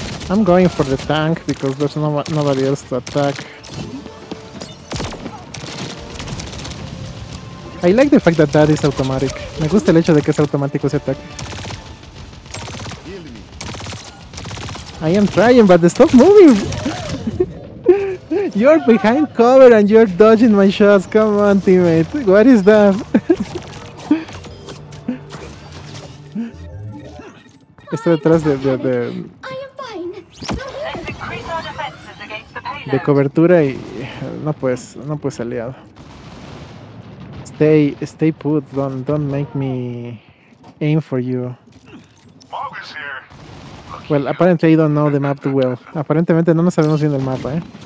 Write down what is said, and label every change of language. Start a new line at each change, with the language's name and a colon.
English: I'm going for the tank because there's nobody else to attack. I like the fact that that is automatic.
Spanish: Me gusta el hecho de que es automático ese ataque.
English: I am trying, but stop moving! You're behind cover and you're dodging my shots. Come on, teammate. What is that?
Spanish: Está detrás de cobertura y no pues aliado.
English: Stay put. Don't make me aim for you. Well, apparently I don't know the map too well.
Spanish: Aparentemente no nos sabemos bien el mapa, eh.